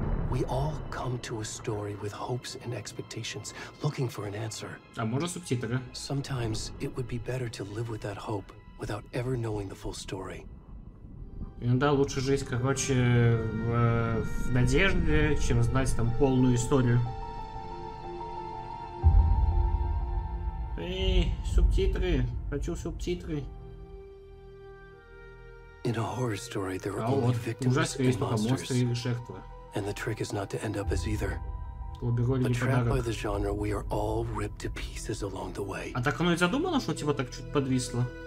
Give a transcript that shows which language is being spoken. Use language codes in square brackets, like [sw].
[en] We all come to a story with hopes and expectations, looking for an answer. [ru] А можно субтитры? [en] Sometimes it would be better to live with that hope without ever knowing the full story. [ru] Иногда лучше жить, короче, в надежде, чем знать там полную историю. Эй, субтитры! Хочу субтитры! [en] In a horror story, there are only victims and monsters. And the trick is not to end up as either. But trapped by the genre, we are all ripped to pieces along the way. [ru] А так оно и задумано, что типа так чуть подвисло.